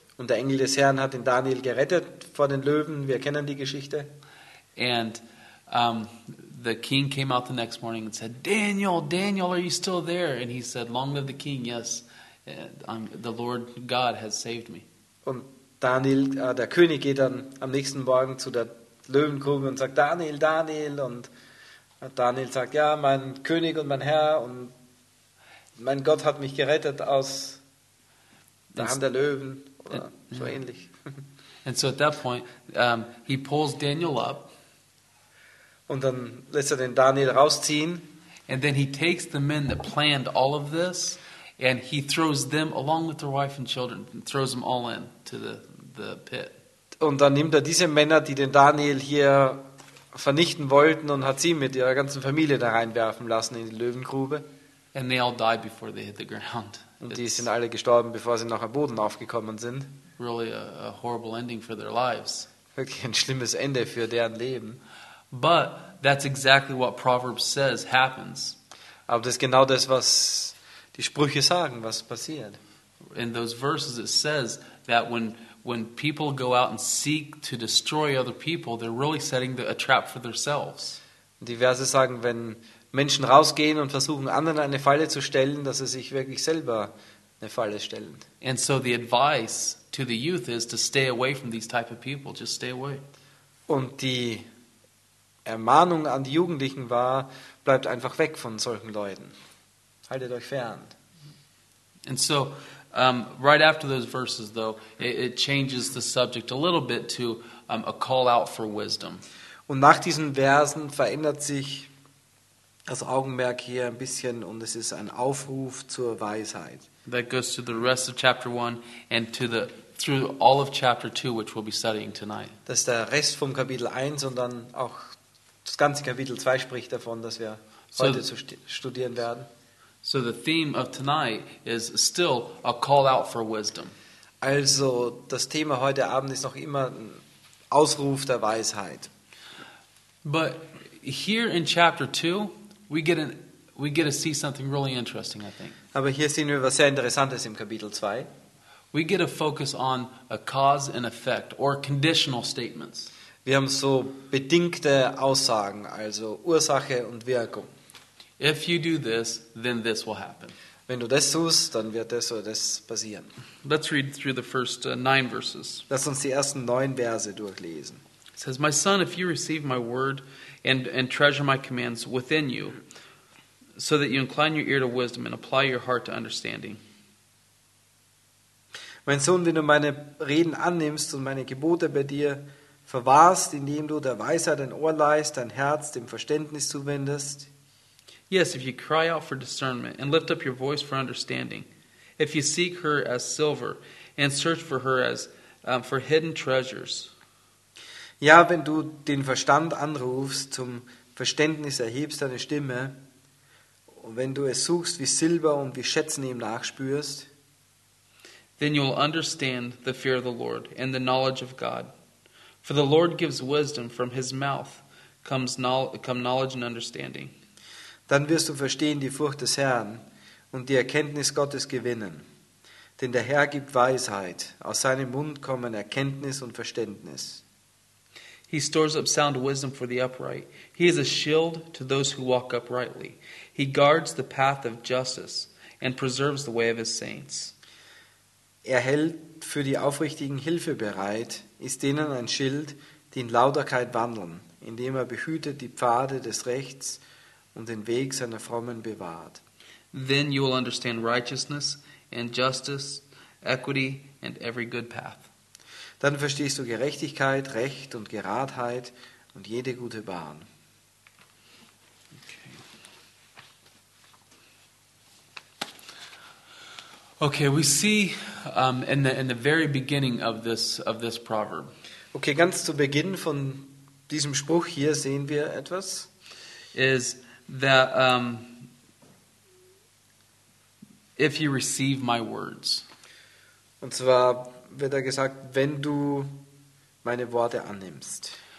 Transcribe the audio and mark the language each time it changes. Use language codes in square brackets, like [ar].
[de] Und der Engel des Herrn hat den Daniel gerettet vor den Löwen. Wir kennen die Geschichte. [en] The king came out the next morning and said, Daniel, are you still there? And he said, long live the king, yes. The Lord God has saved me. [de] Und Daniel, der König geht dann am nächsten Morgen zu der Löwengrube und sagt, Daniel. Und Daniel sagt, ja, mein König und mein Herr und mein Gott hat mich gerettet aus der Hand der Löwen. So ähnlich. [en] And so at that point, he pulls Daniel up. [de] Und dann lässt er den Daniel rausziehen. [en] And then he takes the men that planned all of this And he throws them along with their wife and children, and throws them all in to the pit. [de] Und dann nimmt er diese Männer, die den Daniel hier vernichten wollten, und hat sie mit ihrer ganzen Familie da reinwerfen lassen in die Löwengrube. [en] And they all die before they hit the ground. [de] Und die sind alle gestorben, bevor sie noch am Boden aufgekommen sind. [en] Really a horrible ending for their lives. [de] Wirklich ein schlimmes Ende für deren Leben. [en] But that's exactly what Proverbs says happens. [de] Aber das ist genau das, was die Sprüche sagen, was passiert. [en] In those verses it says that when people go out and seek to destroy other people, they're really setting a trap for themselves. [de] Die Verse sagen, wenn Menschen rausgehen und versuchen, anderen eine Falle zu stellen, dass sie sich wirklich selber eine Falle stellen. [en] And so the advice to the youth is to stay away from these type of people. Just stay away. [de] Und die Ermahnung an die Jugendlichen war, bleibt einfach weg von solchen Leuten. Haltet euch fern. [en] And so, right after those verses, though, it changes the subject a little bit to a call out for wisdom. [de] Und nach diesen Versen verändert sich das Augenmerk hier ein bisschen und es ist ein Aufruf zur Weisheit. [en] That goes to the rest of chapter 1 and to the through all of chapter 2, which we'll be studying tonight. [de] Das ist der Rest vom Kapitel 1 und dann auch das ganze Kapitel 2 spricht davon, dass wir heute zu studieren werden. [en] So the theme of tonight is still a call out for wisdom. [de] Also das Thema heute Abend ist noch immer ein Ausruf der Weisheit. [en] But here in chapter 2, we get to see something really interesting, I think. [de] Aber hier sehen wir was sehr Interessantes im Kapitel 2. [en] We get to focus on a cause and effect or conditional statements. [de] Wir haben so bedingte Aussagen, also Ursache und Wirkung. [en] If you do this, then this will happen. [de] Wenn du das tust, dann wird das oder das passieren. [en] Let's read through the first 9 verses. [de] Lass uns die ersten 9 Verse durchlesen. [en] It says, "My son, if you receive my word and treasure my commands within you, so that you incline your ear to wisdom and apply your heart to understanding." [de] Mein Sohn, wenn du meine Reden annimmst und meine Gebote bei dir verwahrst, indem du der Weisheit ein Ohr leihst, dein Herz dem Verständnis zuwendest. [en] Yes, if you cry out for discernment and lift up your voice for understanding, if you seek her as silver and search for her as for hidden treasures. [de] Ja, wenn du den Verstand anrufst, zum Verständnis erhebst deine Stimme, und wenn du es suchst wie Silber und wie Schätzen ihm nachspürst, [en] then you will understand the fear of the Lord and the knowledge of God. For the Lord gives wisdom, from his mouth come knowledge and understanding. [de] Dann wirst du verstehen die Furcht des Herrn und die Erkenntnis Gottes gewinnen. Denn der Herr gibt Weisheit, aus seinem Mund kommen Erkenntnis und Verständnis. [en] He stores up sound wisdom for the upright. He is a shield to those who walk uprightly. He guards the path of justice and preserves the way of his saints. [de] Er hält für die Aufrichtigen Hilfe bereit, ist denen ein Schild, die in Lauterkeit wandeln, indem er behütet die Pfade des Rechts und den Weg seiner Frommen bewahrt. [en] Then you will understand righteousness and justice, equity and every good path. [de] Dann verstehst du Gerechtigkeit, Recht und Geradheit und jede gute Bahn. [en] Okay, we see in the very beginning of this proverb. [de] Okay, ganz zu Beginn von diesem Spruch hier sehen wir etwas. [en] Is that if you receive my words. [de] Und zwar wird da gesagt, wenn du meine Worte annimmst.